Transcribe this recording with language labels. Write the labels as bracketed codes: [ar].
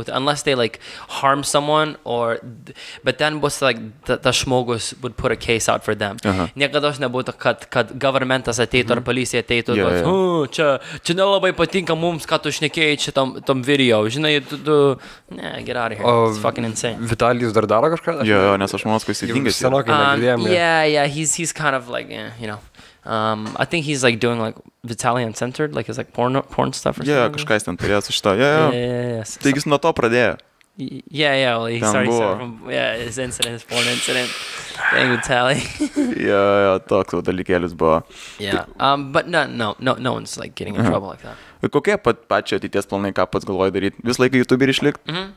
[en] Unless they like harm someone, or but then was like the šmogus would put a case out for them. [lt] Niekados nebūtų, kad governmentas ateitų ar policija ateitų, čia nelabai patinka mums, kad tu šnekėjai čia tom video. Žinai, tu ne, [en] get out of here. It's fucking insane. [lt] Vitalijus dar daro kažką? Jo, nes aš manau, kad jis įdingas. [en] He's kind of like, you know, I think he's like doing like Vitalian centered, like it's like porn stuff or something. [lt] Yeah, kažką jis ten turėjo su šito. [en] Yeah. [lt] Taigi jis nuo to pradėjo. [en] Yeah, well, he started his incident, his porn incident. Dang, Vitali. [lt] Yeah, toks dalykėlis buvo. [en] Yeah, but no one's like getting in trouble like that. [lt] Kokie pačio ateities planai, ką pats galvoji daryti? Vis laiką YouTuber išlikt?